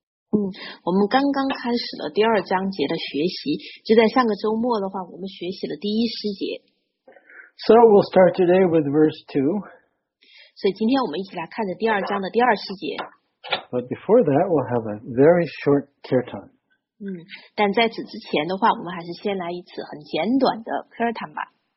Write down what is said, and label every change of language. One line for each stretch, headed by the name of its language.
Chinese: 我们刚刚开始了第二章节的学习，就在上个周末的话，我们学习了第一诗节。
English: So we'll start today with verse 2.
Chinese: 所以今天我们一起来看着第二章的第二诗节。
English: But before that, we'll have a very short kirtan.
Chinese: 但在此之前的话，我们还是先来一次很简短的 kirtan 吧。